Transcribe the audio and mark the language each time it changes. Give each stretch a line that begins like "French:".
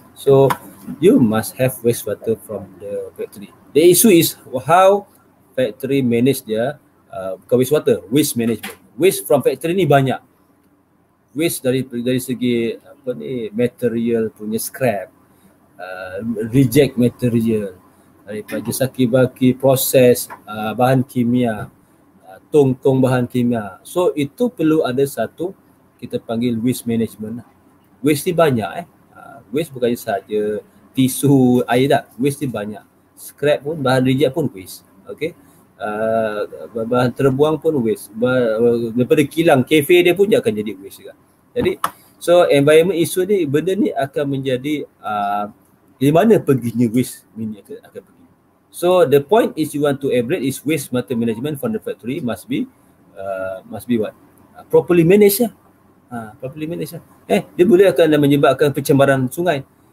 English: So, you must have wastewater from the factory. The issue is how factory manage their wastewater, waste management. Waste from factory
Malay: ni banyak. Waste dari segi apa ni, material punya scrap, reject material, daripada saki baki proses bahan kimia, tong-tong bahan kimia. So itu perlu ada satu kita panggil waste management. Waste ni banyak waste bukan saja tisu, air tak, waste ni banyak. Scrap pun, bahan reject pun waste. Okay. Bahan terbuang pun waste. Daripada kilang, kafe dia pun dia akan jadi waste juga. Jadi, so environment issue ni, benda ni akan menjadi di mana perginya waste ni akan pergi.
English: So the point is you want to embrace is waste matter management from the factory must be what? Properly managed lah. Properly managed lah.
Malay: Dia boleh akan menyebabkan pencemaran sungai.